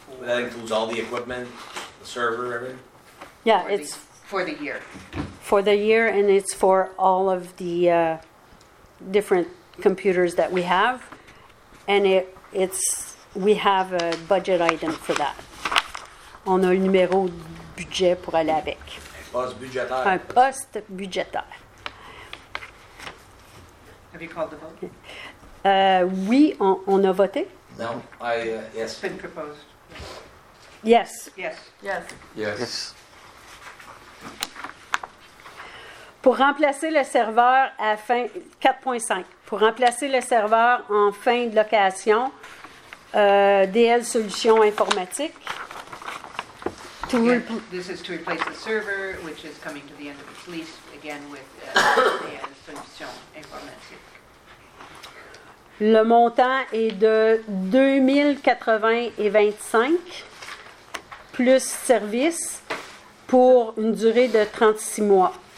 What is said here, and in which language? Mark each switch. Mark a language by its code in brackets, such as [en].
[en] That includes all the equipment, the server, everything? Yeah, For the year. For the year, and it's for all of the different computers that we have. And we have a budget item for that. [fr] On a un numéro de budget pour aller avec. Un poste budgétaire. Un poste budgétaire. [en] Have you called the vote? [fr] Oui, on a voté. [en] No, yes. Been proposed. Yes. Yes. Yes. Yes. [fr] Pour remplacer le serveur à fin 4.5. Pour remplacer le serveur en fin de location, DL Solutions Informatiques. [en] This is to replace the server, which is coming to the end of its lease again with DL Solutions Informatiques. [fr] Le montant est de 2080,25 plus service pour une durée de 36 mois.